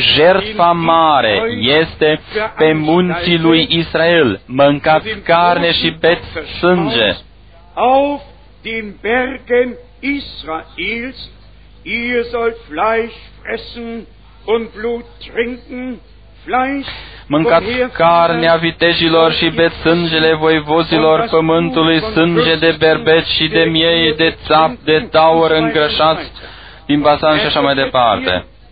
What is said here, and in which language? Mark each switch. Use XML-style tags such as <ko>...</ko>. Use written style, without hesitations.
<ro>Jertfa mare este pe munții lui Israel. Mâncați carne și beți sânge.</ro> <de>Auf den Bergen Israels, ihr sollt Fleisch fressen und Blut trinken.</de> <ro>Mâncați carnea vitejilor și beți sângele voivozilor pământului, sânge de berbeci și de miei, de țap, de taur îngrășați din Basan și așa mai departe.</ro>